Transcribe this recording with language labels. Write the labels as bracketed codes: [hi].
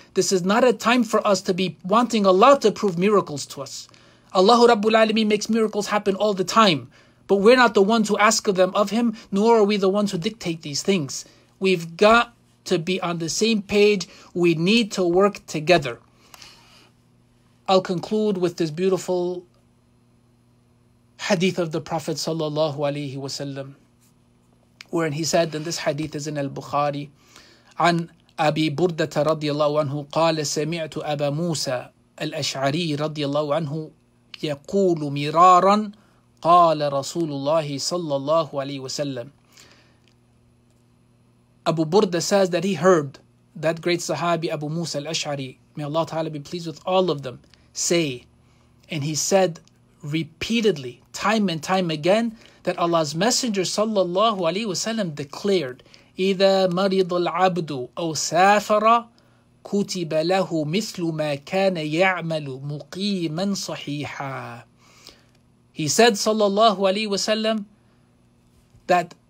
[en] This is not a time for us to be wanting Allah to prove miracles to us. Allahu Rabbul Alameen makes miracles happen all the time, but we're not the ones who ask them of Him, nor are we the ones who dictate these things. We've got to be on the same page. We need to work together. I'll conclude with this beautiful hadith of the Prophet sallallahu alaihi wasallam, wherein he said, and this hadith is in al-Bukhari, [ar] عن أبي بردة رضي الله عنه قال سمعت أبا موسى الأشعري رضي الله عنه يقول مرارا قال رسول الله صلى الله عليه وسلم. [en] Abu Burda says that he heard that great Sahabi Abu Musa al-Ash'ari, may Allah Ta'ala be pleased with all of them, say, and he said repeatedly, time and time again, that Allah's Messenger sallallahu alayhi wa sallam declared, [ar] إِذَا مَرِضَ الْعَبْدُ أَوْ سَافَرَ كُتِبَ لَهُ مِثْلُ مَا كَانَ يَعْمَلُ مُقِيمًا صَحِيحًا. [en] He said sallallahu alayhi wa sallam that